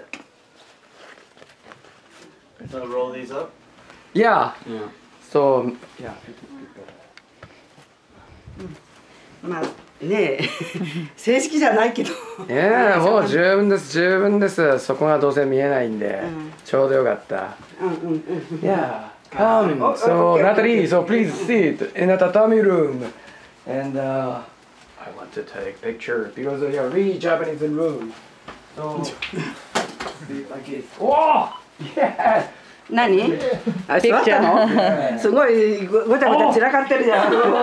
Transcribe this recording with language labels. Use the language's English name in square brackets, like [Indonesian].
[English] ゃん。 So roll these up? Yeah. Yeah. So, yeah. [Japanese] まあ、ねえ正式じゃないけどねえもう十分です十分です、そこがどうせ見えないんで、うん、ちょうどよかった、うんうんうん、 [English] Yeah come so Natalie so please sit in a tatami room and I want to take picture because they are really Japanese in room so like this oh yeah [Japanese] 何あ、座ったのすごいごちゃごちゃ散らかってるじゃん。